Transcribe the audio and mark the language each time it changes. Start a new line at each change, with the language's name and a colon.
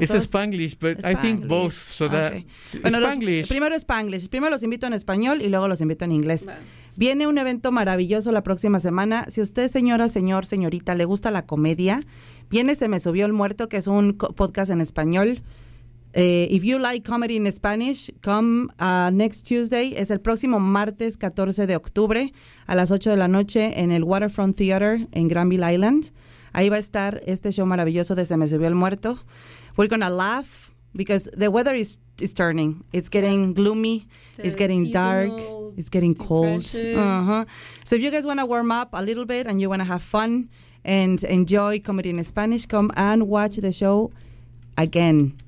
Spanish: dos. Es
English: Spanglish, but Spanglish. I think both. So okay.
Spanish: Bueno, Spanglish. Primero Spanglish. Primero los invito en español y luego los invito en inglés. Bueno. Viene un evento maravilloso la próxima semana. Si usted, señora, señor, señorita, le gusta la comedia, viene Se Me Subió el Muerto, que es un podcast en español.
English: If you like comedy in Spanish, come next Tuesday.
Spanish: Es el próximo martes 14 de octubre a las 8 de la noche en el Waterfront Theater en Granville Island. Ahí va a estar este show maravilloso de Se Me Subió el Muerto.
English: We're gonna laugh because the weather is turning. It's getting gloomy. It's getting dark. It's getting cold. Uh-huh. So if you guys want to warm up a little bit and you want to have fun and enjoy comedy in Spanish, come and watch the show again.